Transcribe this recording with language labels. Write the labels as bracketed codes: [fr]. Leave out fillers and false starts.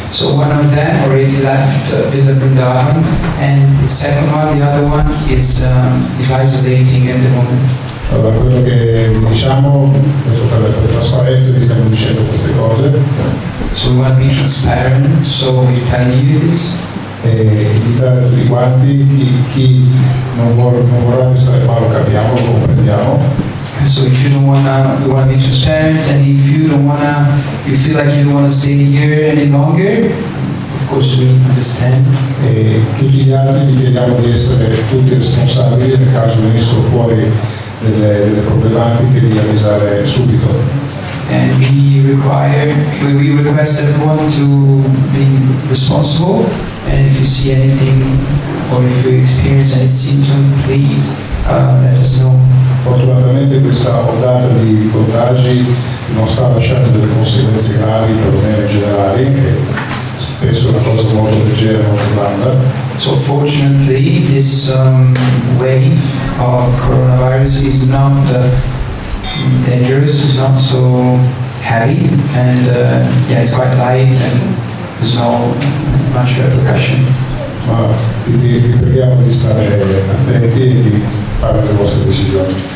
[en] So one of them already left Villa Vrindavan, and the second one, the other one, is isolating at the moment. [it] Da quello che diciamo, per la trasparenza, vi stiamo dicendo queste cose. [en] So we want to be transparent, so we tell you this. [it] E invitare tutti quanti, chi non vorrà più stare qua, lo capiamo, lo comprendiamo. [en] So if you don't wanna, you wanna be transparent, and if you don't wanna, you feel like you don't wanna stay here any longer, of course we understand. [it] E tutti gli altri vi chiediamo di essere tutti responsabili nel caso venissero fuori delle problematiche, di avvisare subito. [en] And we request everyone to be responsible, and if you see anything or if you experience any symptom, please let us know. [it] Fortunatamente questa ondata di contagi non sta lasciando delle conseguenze gravi, perlomeno generali, e spesso è una cosa molto leggera, molto blanda. [en] So fortunately this wave of coronavirus is not dangerous, it's not so heavy, and it's quite light and there's no much repercussion. [it] Ma vi preghiamo di stare attenti e di fare le vostre decisioni.